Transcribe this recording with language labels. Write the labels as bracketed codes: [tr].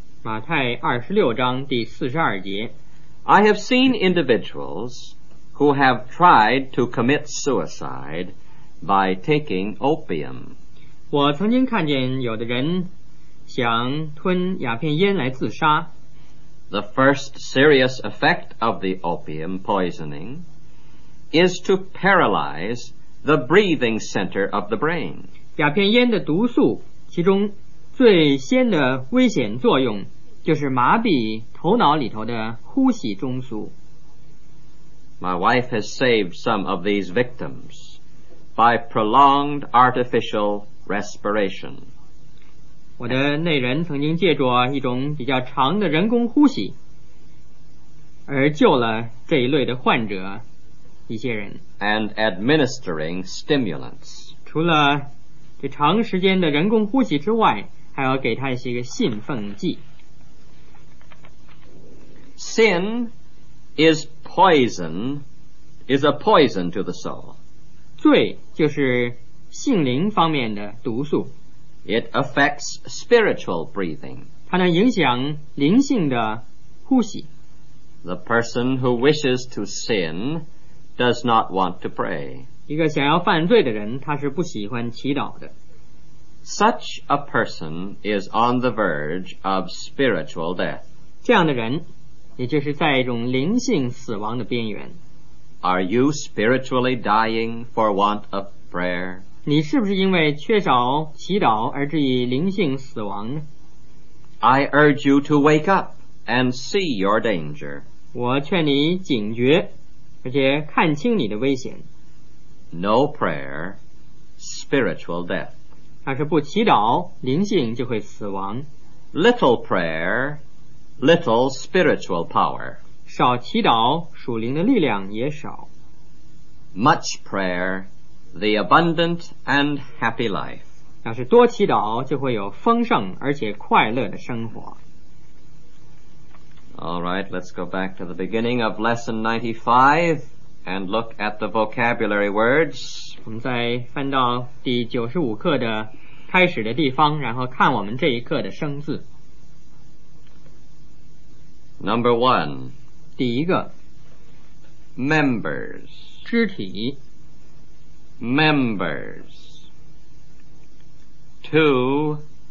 [zh] 马太二十六章第四十二节。 [en] I have seen individuals who have tried to commit suicide by taking opium. [zh] 我曾经看见有的人想吞鸦片烟来自杀。 [en] The first serious effect of the opium poisoning. Is to paralyze the breathing center of the brain. [zh] 鸦片烟的毒素，其中最先的危险作用就是麻痹头脑里头的呼吸中枢。 [en] My wife has saved some of these victims by prolonged artificial respiration. [zh] 我的内人曾经借助一种比较长的人工呼吸，而救了这一类的患者。一些人 [en] and administering stimulants [zh] 除了这长时间的人工呼吸之外还要给他一些个兴奋剂 [en] Sin is poison is a poison to the soul [zh] 罪就是性灵方面的毒素 [en] It affects spiritual breathing [zh] 它能影响灵性的呼吸 [en] The person who wishes to sin does not want to pray. [zh] 一个想要犯罪的人，他是不喜欢祈祷的。 [en] Such a person is on the verge of spiritual death. [zh] 这样的人，也就是在一种灵性死亡的边缘。 [en] Are you spiritually dying for want of prayer? [zh] 你是不是因为缺少祈祷而致以灵性死亡呢？ [en] I urge you to wake up and see your danger. [zh] 我劝你警觉。而且看清你的危险 [en] No prayer, spiritual death [zh] 要是不祈祷灵性就会死亡 [en] little prayer, little spiritual power. [zh] 少祈祷，属灵的力量也少。 [en] Much prayer, the abundant and happy life. [zh] 要是多祈祷，就会有丰盛而且快乐的生活。 [en] All right, let's go back to the beginning of lesson 95 and look at the vocabulary words. [zh] 我们再翻到第95课的开始的地方，然后看我们这一课的生字。 [en] Number one. [zh] 第一个。 [en] Members. [zh] 肢体。 [en] Members. Two.